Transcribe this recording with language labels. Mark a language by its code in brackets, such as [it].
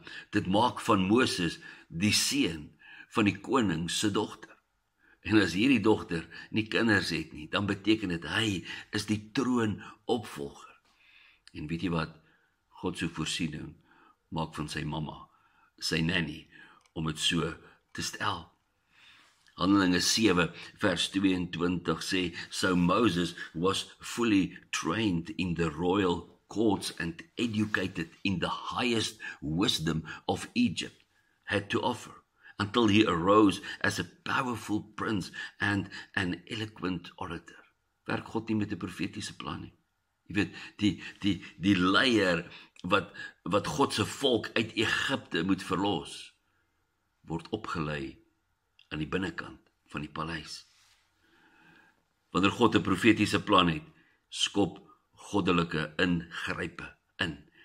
[af] Dit maak van Moses die seun van die koning se dogter. En as hierdie dogter nie kinders het nie, dan beteken dit hy is die troonopvolger. En weet jy wat? God se voorsiening maak van sy mamma, sy nanny, om dit so te stel. Handelinge 7 vers 22 sê, [en] so Moses was fully trained in the royal courts and educated in the highest wisdom of Egypt had to offer until he arose as a powerful prince and an eloquent orator. [af] Werk God nie met 'n profetiese plan nie. Jy weet, die leier wat God se volk uit Egipte moet verlos, word opgelei aan die binnekant van die paleis. Wanneer God 'n profetiese plan het, skop goddelike ingrype in.